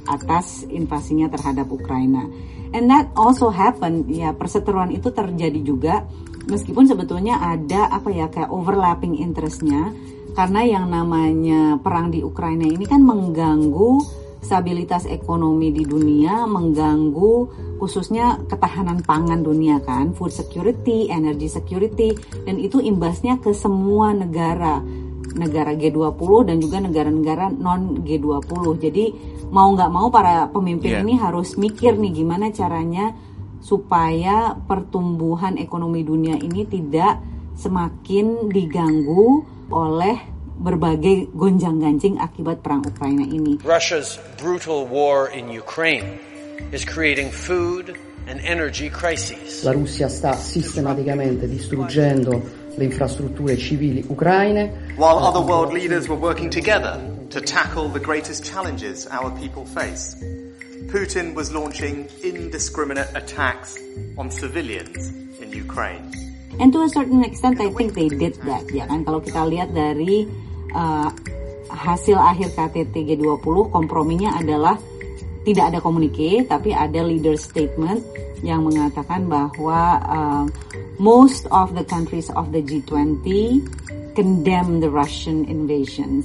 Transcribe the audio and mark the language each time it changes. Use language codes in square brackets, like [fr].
[id] Atas invasinya terhadap Ukraina. [en] And that also happened, [id] ya, perseteruan itu terjadi juga meskipun sebetulnya ada apa ya kayak overlapping interest-nya, karena yang namanya perang di Ukraina ini kan mengganggu stabilitas ekonomi di dunia, mengganggu khususnya ketahanan pangan dunia kan, [en] food security, energy security, [id] dan itu imbasnya ke semua negara, negara G20 dan juga negara-negara non G20. Jadi mau gak mau para pemimpin ini harus mikir nih gimana caranya supaya pertumbuhan ekonomi dunia ini tidak semakin diganggu oleh berbagai gonjang-ganjing akibat perang Ukraina ini. [en] Russia's brutal war in Ukraine is creating food and energy crises. [it] La Russia sta sistematicamente distruggendo le infrastrutture civili ucraine. [en] While other world leaders were working together to tackle the greatest challenges our people face, Putin was launching indiscriminate attacks on civilians in Ukraine. And to a certain extent, I think they did that, ya kan? [id] Kalau kita lihat dari hasil akhir KTT G20, komprominya adalah tidak ada komunike, tapi ada leader statement yang mengatakan bahwa [en] most of the countries of the G20 condemn the Russian invasion.